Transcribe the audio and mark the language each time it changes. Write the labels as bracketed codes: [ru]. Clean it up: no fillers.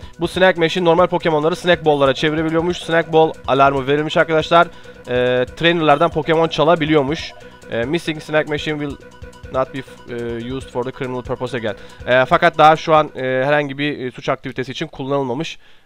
[tr] Bu Snack Machine normal Pokemon'ları Snack Ball'lara çevirebiliyormuş. Snack Ball alarmı verilmiş arkadaşlar. Trainer'lardan Pokemon çalabiliyormuş. [en] Missing Snack Machine will not be used for the criminal purpose again. [tr] Fakat daha şu an herhangi bir suç aktivitesi için kullanılmamış.